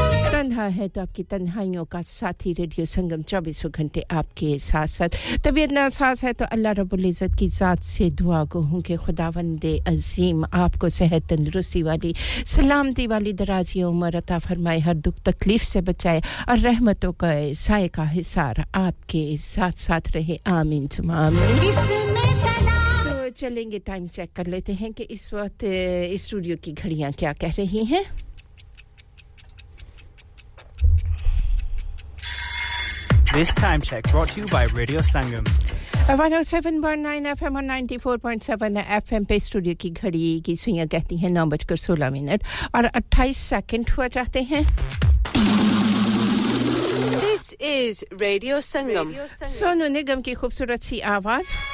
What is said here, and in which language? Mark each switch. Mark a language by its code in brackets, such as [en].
[ur] تنہا ہے تو آپ کی تنہائیوں کا ساتھی ریڈیو سنگم 24 گھنٹے آپ کے ساتھ ساتھ طبیعت ناساز ہے تو اللہ رب العزت کی ذات سے دعا گو ہوں کہ خداوند عظیم آپ کو صحت تندرستی والی سلامتی والی درازی عمر عطا فرمائے ہر دکھ تکلیف سے بچائے اور رحمتوں کا سائے کا حصار آپ کے ساتھ ساتھ رہے آمین تم آمین تو چلیں گے ٹائم چیک کر لیتے ہیں کہ اس وقت اسٹوڈیو کی گھڑیاں کیا کہہ رہی ہیں [en] This time check brought to you by Radio Sangam. [ur] 107.9 FM اور 94.7 FM پہ اسٹوڈیو کی گھڑی کی سوئیاں کہتی ہیں 9:16 اور 28 سیکنڈ ہوا چاہتے ہیں [en] This is Radio Sangam. [ur] Sonu Nigam کی خوبصورت سی آواز